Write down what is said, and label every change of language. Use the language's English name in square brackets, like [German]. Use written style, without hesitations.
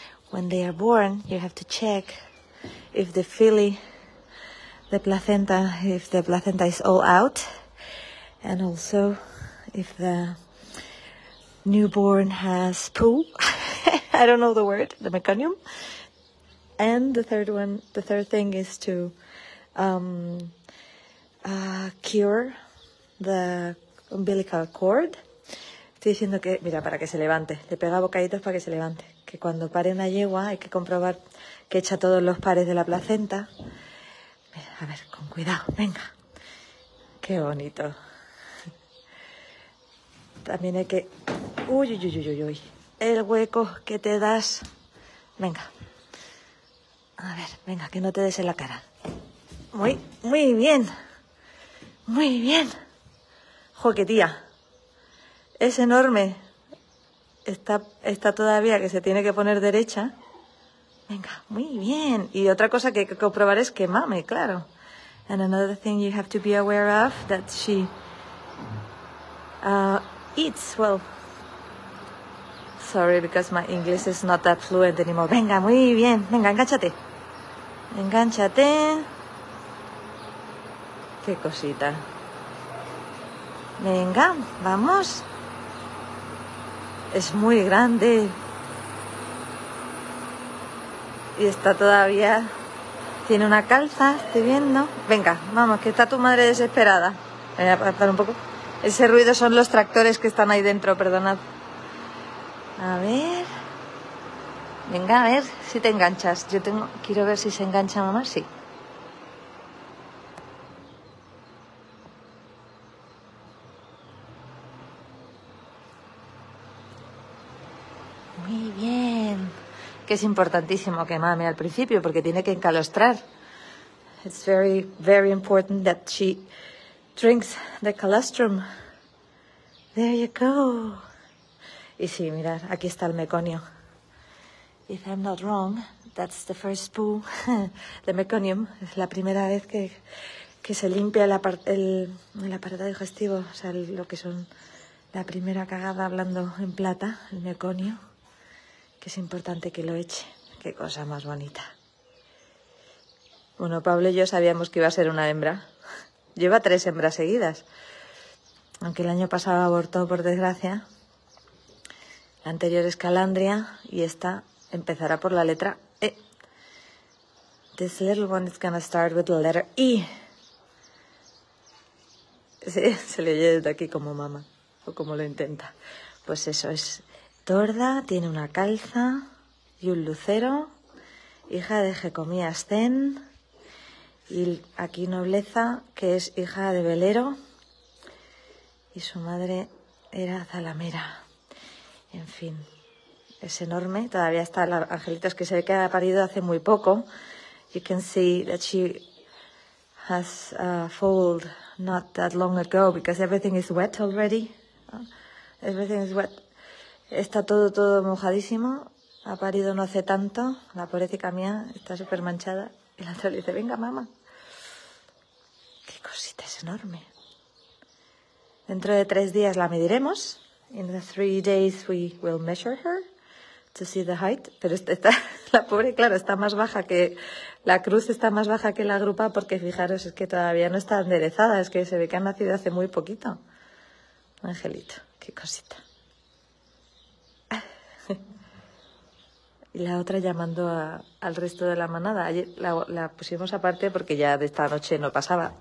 [English] When they are born, you have to check if the filly, the placenta, if the placenta is all out, and also if the newborn has poo, I don't know the word, the meconium. And the third thing is to cure the umbilical cord. [Spanish] Estoy diciendo que, mira, para que se levante, le pega bocaditos para que se levante, que cuando pare una yegua hay que comprobar que echa todos los pares de la placenta. A ver, con cuidado, venga. Qué bonito. También hay que... Uy, uy, uy, uy, uy, uy. El hueco que te das. Venga. A ver, venga, que no te des en la cara. Muy, muy bien. Muy bien. Joquetía. Es enorme. Está todavía que se tiene que poner derecha. Venga, muy bien. Y otra cosa que hay que comprobar es que mame, claro. [English] And another thing you have to be aware of, that she eats, well, sorry, because my English is not that fluent anymore. [Spanish] Venga, muy bien. Venga, engánchate. Engánchate. Qué cosita. Venga, vamos. Es muy grande. Y está todavía, tiene una calza, estoy viendo. Venga, vamos, que está tu madre desesperada. Voy a apartar un poco. Ese ruido son los tractores que están ahí dentro, perdonad. A ver. Venga, a ver si te enganchas. Quiero ver si se engancha mamá, sí. Muy bien. Que es importantísimo que mame al principio porque tiene que encalostrar. [English] It's very, very important that she drinks the colostrum. There you go. [Spanish] Y sí, mirad, aquí está el meconio. [English] If I'm not wrong, that's the first poo, the meconium. [Spanish] Es la primera vez que se limpia el aparato digestivo, o sea, lo que son la primera cagada, hablando en plata, el meconio, que es importante que lo eche. Qué cosa más bonita. Bueno, Pablo y yo sabíamos que iba a ser una hembra. Lleva 3 hembras seguidas. Aunque el año pasado abortó, por desgracia. La anterior es Calandria y esta empezará por la letra E. [English] This little one is gonna start with the letter E. [Spanish] Sí, se le oye desde aquí como mama, o como lo intenta. Pues eso, es torda, tiene una calza y un lucero. Hija de Jecomías Zen. Y aquí nobleza, que es hija de Velero. Y su madre era Zalamera. En fin, es enorme. Todavía está la angelita, es que se ve que ha parido hace muy poco. [English] You can see that she has foaled not that long ago, because everything is wet already. Everything is wet. [Spanish] Está todo, todo mojadísimo. Ha parido no hace tanto. La pobrecita mía está súper manchada. Y la otra le dice, venga, mamá. Qué cosita, es enorme. Dentro de 3 días la mediremos. [English] In the 3 days we will measure her to see the height. [Spanish] Pero está, la pobre, claro, está más baja que la cruz, está más baja que la grupa, porque fijaros, es que todavía no está enderezada, es que se ve que ha nacido hace muy poquito. Angelito, qué cosita. Y la otra llamando al resto de la manada. Ayer la pusimos aparte porque ya de esta noche no pasaba.